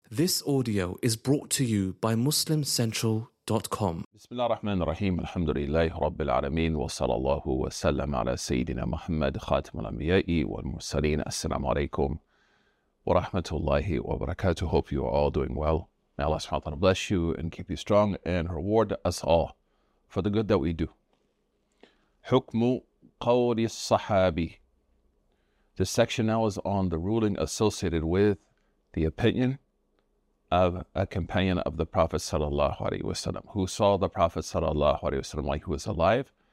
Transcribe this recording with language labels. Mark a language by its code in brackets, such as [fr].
[en] This audio is brought to you by MuslimCentral.com. [ar] بسم الله الرحمن الرحيم. الحمد لله رب العالمين وصلى الله وسلم على سيدنا محمد خاتم الأنبياء والمرسلين. السلام عليكم ورحمة الله وبركاته. [en] Hope you are all doing well. May Allah subhanahu wa ta'ala bless you and keep you strong and reward us all for the good that we do. [ar] حكم قول الصحابي. [en] This section now is on the ruling associated with the opinion of a companion of the Prophet sallallahu alaihi wasallam, who saw the Prophet sallallahu alaihi wasallam while he was alive.